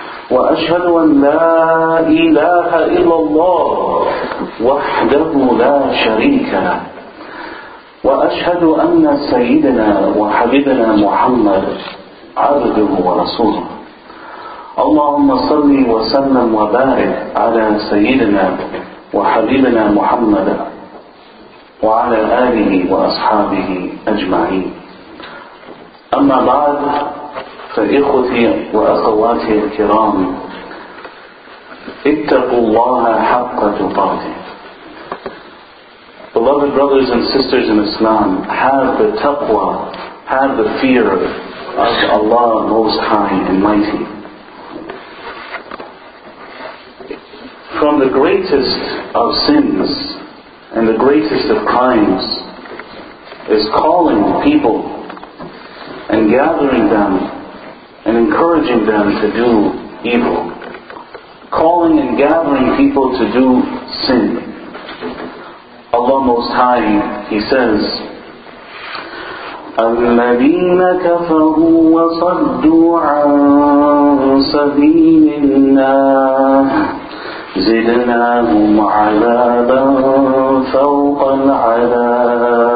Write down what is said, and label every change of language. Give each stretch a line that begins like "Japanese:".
Arabic: وأشهد أن لا إله إلا الله وحده لا شريك له وأشهد أن سيدنا وحبيبنا محمد عبده ورسوله اللهم صل وسلم وبارك على سيدنا وحبيبنا محمد وعلى آله وأصحابه أجمعين أما بعد فإخوتي وأخواتي الكرام اتقوا الله حق تقاته.
English: Beloved brothers and sisters in Islam, have the taqwa, have the fear of Allah Most High and Mighty. From the greatest of sins and the greatest of crimes is calling people and gathering them and encouraging them to do evil. Calling and gathering people to do sin. Allah Most High, He says,
Arabic: الَّذِينَ كَفَرُوا وَصَدُّوا عَن سَبِيلِ اللَّهِ زِدْنَاهُمْ عَذَابًا فَوْقَ الْعَذَابِ.